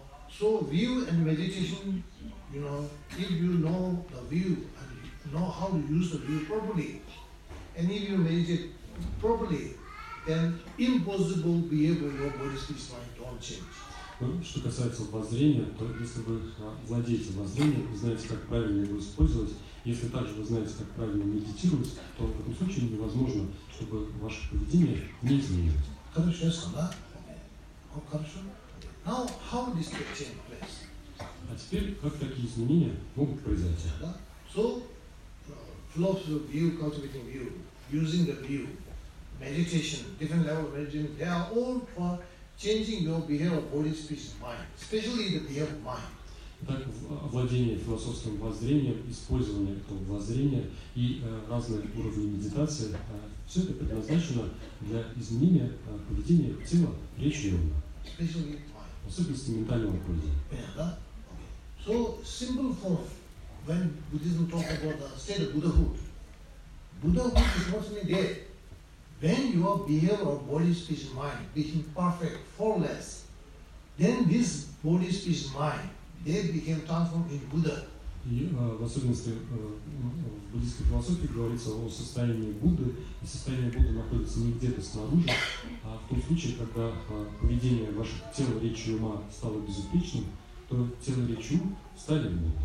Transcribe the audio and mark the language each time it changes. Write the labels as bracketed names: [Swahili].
[English] So view and meditation, you know, if you know the view and know how to use the view properly, and if you meditate properly, then impossible behavior your body's mind don't change. [Russian] Что касается воззрения, то если вы владеете воззрением, вы знаете, как правильно его использовать, если также вы знаете, как правильно медитировать, то в этом случае невозможно, чтобы ваше поведение не изменилось. Хорошо, я сказал, да? Хорошо. [English] Now, how this can change place? [Russian] А теперь, как такие изменения могут произойти? [English] So, philosophy of view, cultivating view, using the view, meditation, different level of meditation, they are all for changing your behavior of body, speech, mind, especially the behavior of mind. [Russian] Так, владение философским воззрением, использование этого воззрения и разные уровни медитации, все это предназначено для изменения поведения тела, речи и ума. [English] Especially [Russian] особенности ментального поведения. Понятно, да? [English] So, simple form, when Buddhism talks about the state of Buddhahood, Buddhahood is mostly there. When your behavior of body, speech, mind became perfect, flawless, then this body, speech, mind, they became transformed into Buddha. [Russian] И в особенности в буддийской философии говорится о состоянии Будды, и состояние Будды находится не где-то снаружи, а в том случае, когда поведение ваших тела, речи и ума стало безупречным, то тело, речи и ум стали